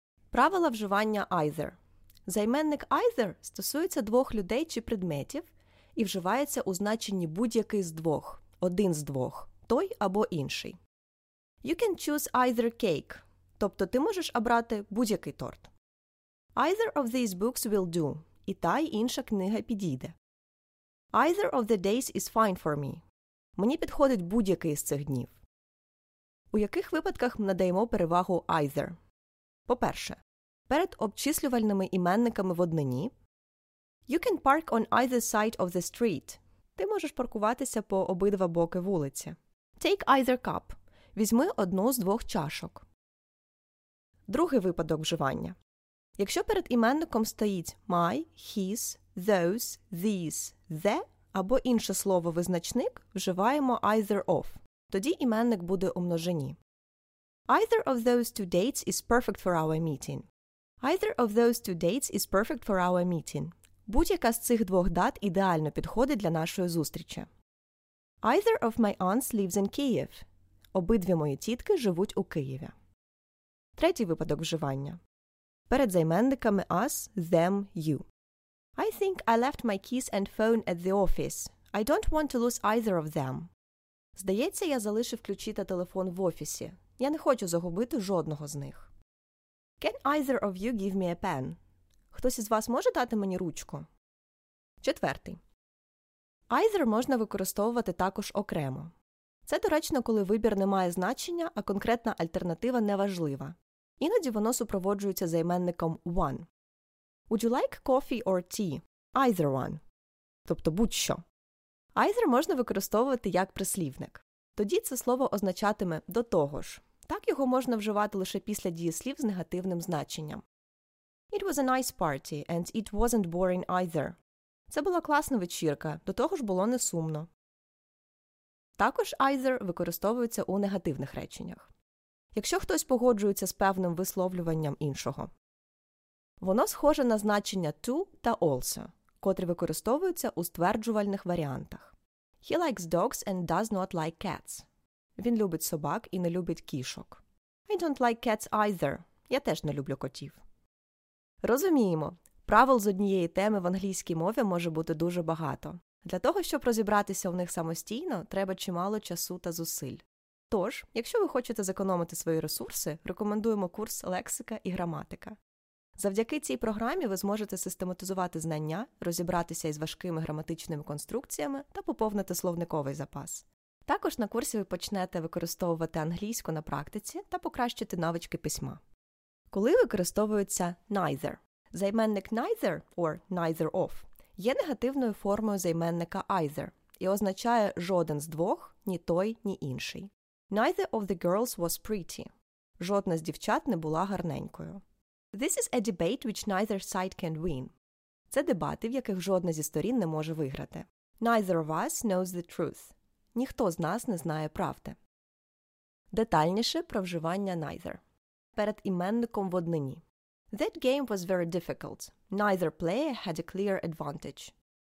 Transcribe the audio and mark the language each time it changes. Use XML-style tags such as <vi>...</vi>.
<uk>Правила вживання either. Займенник either стосується двох людей чи предметів і вживається у значенні будь-який з двох, один з двох, той або інший.</uk> <en>You can choose either cake.</en> <uk>Тобто ти можеш обрати будь-який торт.</uk> <en>Either of these books will do.</en> <uk>І та, й інша книга підійде.</uk> <en>Either of the days is fine for me.</en> <uk>Мені підходить будь-який з цих днів. У яких випадках ми надаємо перевагу either? По-перше, перед обчислювальними іменниками в однині.</uk> <en>You can park on either side of the street.</en> <uk>Ти можеш паркуватися по обидва боки вулиці.</uk> <en>Take either cup.</en> <uk>Візьми одну з двох чашок. Другий випадок вживання. Якщо перед іменником стоїть my, his, those, these, the або інше слово-визначник, вживаємо either of. Тоді іменник буде у множині.</uk> <en>Either of those two dates is perfect for our meeting. Either of those two dates is perfect for our meeting.</en> <uk>Будь-яка з цих двох дат ідеально підходить для нашої зустрічі.</uk> <en>Either of my aunts lives in Kiev.</en> <uk>Обидві мої тітки живуть у Києві. Третій випадок вживання. Перед займенниками us, them, you.</uk> <en>I think I left my keys and phone at the office. I don't want to lose either of them.</en> <uk>Здається, я залишив ключі та телефон в офісі. Я не хочу загубити жодного з них.</uk> <en>Can either of you give me a pen?</en> <uk>Хтось із вас може дати мені ручку? Четвертий. Either можна використовувати також окремо. Це доречно, коли вибір не має значення, а конкретна альтернатива неважлива. Іноді воно супроводжується займенником one.</uk> <en>Would you like coffee or tea? Either one.</en> <uk>Тобто будь-що. Either можна використовувати як прислівник. Тоді це слово означатиме «до того ж». Так його можна вживати лише після дієслів з негативним значенням.</uk> <en>It was a nice party, and it wasn't boring either.</en> <uk>Це була класна вечірка, до того ж було не сумно. Також either використовується у негативних реченнях. Якщо хтось погоджується з певним висловлюванням іншого. Воно схоже на значення to та also, котрі використовуються у стверджувальних варіантах.</uk> <en>He likes dogs and does not like cats.</en> <uk>Він любить собак і не любить кішок.</uk> <en>I don't like cats either.</en> <uk>Я теж не люблю котів. Розуміємо, правил з однієї теми в англійській мові може бути дуже багато. Для того, щоб розібратися у них самостійно, треба чимало часу та зусиль. Тож, якщо ви хочете зекономити свої ресурси, рекомендуємо курс «Лексика і граматика». Завдяки цій програмі ви зможете систематизувати знання, розібратися із важкими граматичними конструкціями та поповнити словниковий запас. Також на курсі ви почнете використовувати англійську на практиці та покращити навички письма. Коли використовується «neither»? Займенник «neither» or «neither of» є негативною формою займенника either і означає жоден з двох, ні той, ні інший.</uk> <en>Neither of the girls was pretty.</en> <uk>Жодна з дівчат не була гарненькою.</uk> <en>This is a debate which neither side can win.</en> <uk>Це дебати, в яких жодна зі сторін не може виграти.</uk> <en>Neither of us knows the truth.</en> <uk>Ніхто з нас не знає правди. Детальніше про вживання neither. Перед іменником в однині.</uk> <en>That game was very difficult. Neither player had a clear advantage.</en>